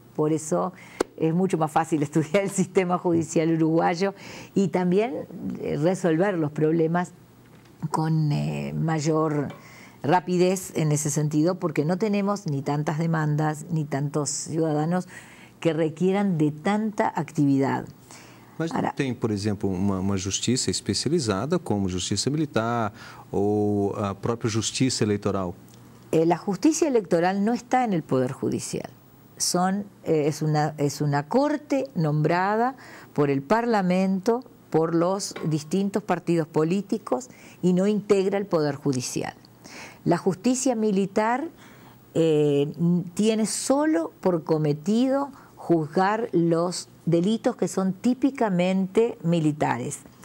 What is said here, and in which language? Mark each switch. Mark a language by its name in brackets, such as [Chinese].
[Spanish] Por eso es mucho más fácil estudiar el sistema judicial uruguayo y también resolver los problemas con mayor rapidez en ese sentido, porque no tenemos ni tantas demandas ni tantos ciudadanos que requieran de tanta actividad. [Portuguese] Mas ahora, no tem, por exemplo, uma justiça especializada como justiça militar ou a própria justiça eleitoral? [Spanish] La justicia electoral no está en el Poder Judicial. Es una corte nombrada por el Parlamento, por los distintos partidos políticos, y no integra el Poder Judicial. La justicia militar tiene solo por cometido juzgar los delitos que son típicamente militares.